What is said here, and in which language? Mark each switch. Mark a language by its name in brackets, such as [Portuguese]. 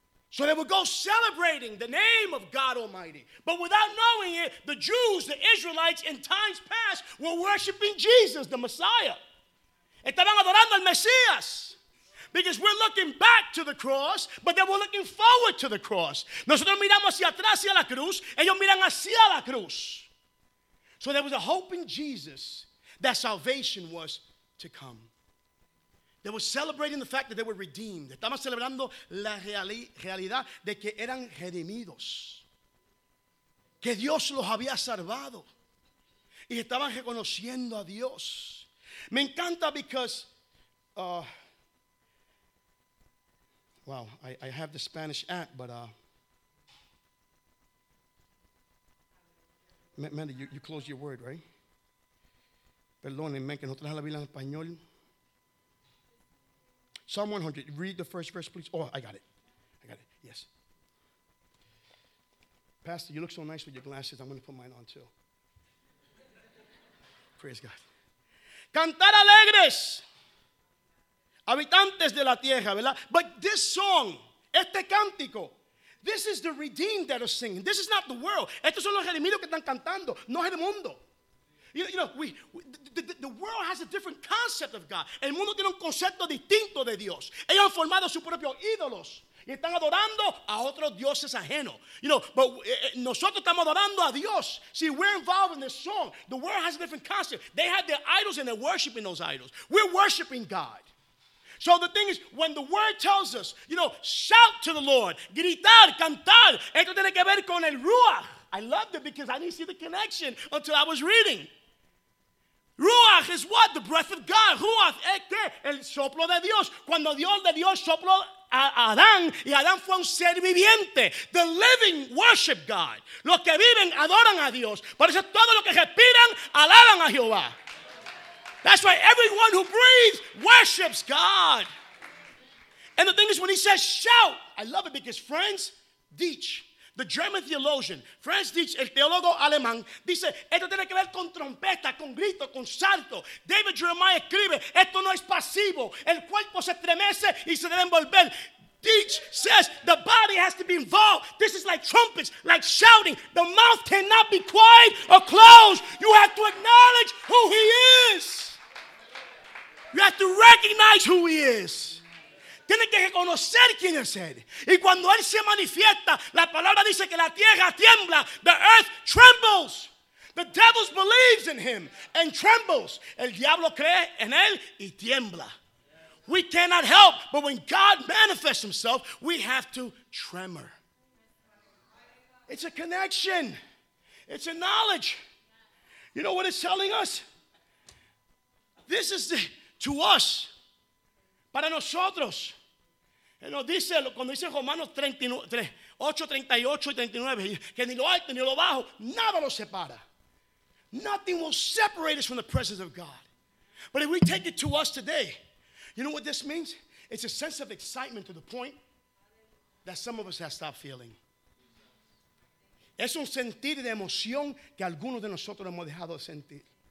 [English] So they would go celebrating the name of God Almighty. But without knowing it, the Jews, the Israelites, in times past, were worshiping Jesus, the Messiah. [Spanish] Estaban adorando al Mesías. [English] Because we're looking back to the cross, but they were looking forward to the cross. [Spanish] Nosotros miramos hacia atrás, hacia la cruz, ellos miran hacia la cruz. [English] So there was a hope in Jesus that salvation was to come. They were celebrating the fact that they were redeemed. [Spanish] Estaban celebrando la realidad de que eran redimidos. Que Dios los había salvado. Y estaban reconociendo a Dios. Me encanta [English] because, I have the Spanish app, but, Mandy, you close your word, right? [Spanish] Perdónenme, que no traje la Biblia en español. [English] Psalm 100, read the first verse, please. Oh, I got it, yes. Pastor, you look so nice with your glasses. I'm going to put mine on, too. Praise God. [Spanish] Cantar alegres, habitantes de la tierra, ¿verdad? [English] But this song, [Spanish] este cántico, [English] this is the redeemed that are singing. This is not the world. [Spanish] Estos son los redimidos que están cantando, no es el mundo. [English] The world has a different concept of God. [Spanish] El mundo tiene un concepto distinto de Dios. Ellos han formado sus propios ídolos y están adorando a otros dioses ajenos. Nosotros estamos adorando a Dios. [English] See, we're involved in this song. The world has a different concept. They have their idols and they're worshiping those idols. We're worshiping God. So the thing is, when the word tells us, shout to the Lord, [Spanish] gritar, cantar, esto tiene que ver con el ruach. [English] I loved it because I didn't see the connection until I was reading. Ruach is what? The breath of God. [Spanish] Ruach es que el soplo de Dios. Cuando Dios le dio el soplo a Adán, y Adán fue un ser viviente. [English] The living worship God. [Spanish] Los que viven adoran a Dios. Por eso todos los que respiran alaban a Jehová. [English] That's why everyone who breathes worships God. And the thing is, when he says shout, I love it because friends, teach. The German theologian, [Spanish] Franz Dietz, el teólogo alemán, dice, esto tiene que ver con trompeta, con grito, con salto. David Jeremiah escribe, esto no es pasivo. El cuerpo se estremece y se debe envolver. [English] Dietz says, the body has to be involved. This is like trumpets, like shouting. The mouth cannot be quiet or closed. You have to acknowledge who he is. You have to recognize who he is. [Spanish] Tiene que reconocer quién es él. Y cuando él se manifiesta, la palabra dice que la tierra tiembla. [English] The earth trembles. The devil believes in him and trembles. [Spanish] El diablo cree en él y tiembla. [English] We cannot help, but when God manifests himself, we have to tremor. It's a connection. It's a knowledge. You know what it's telling us? This is to us. [Spanish] Para nosotros. Nos dice, cuando dice Romanos 8, 38 y 39, que ni lo alto ni lo bajo, nada lo separa. [English] Nothing will separate us from the presence of God. But if we take it to us today, you know what this means? It's a sense of excitement to the point that some of us have stopped feeling. [Spanish] Es un sentir de emoción que algunos de nosotros hemos dejado de sentir.